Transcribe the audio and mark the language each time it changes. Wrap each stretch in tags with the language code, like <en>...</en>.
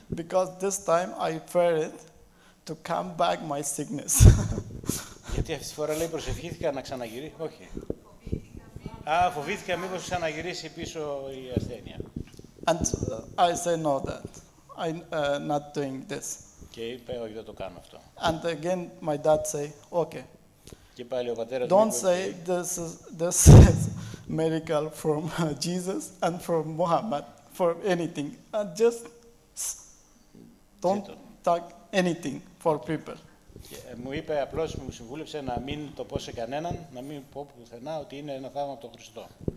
<en>Because this time I fear it. To come back my sickness.</en> <el>Γιατί αυτή τη φορά λέει προσευχήθηκα να ξαναγυρίσει. Όχι. Φοβήθηκα μήπως ξαναγυρίσει πίσω η ασθένεια.</el> <en>And I say no that. I'm not doing this.</en> <el>Και είπε όχι, δεν το κάνω αυτό.</el> <en>And again my dad say okay.</en> <el>Και πάλι ο πατέρας</el> <en>don't</en> <el>μου</el> <en>say this is miracle from Jesus and from Muhammad for anything. And just don't talk anything for people.</en> <el>Μου είπε απλώς, μου συμβούλεψε να μην το πω σε κανέναν, να μην πω πουθενά ότι είναι ένα θαύμα από τον Χριστό.</el>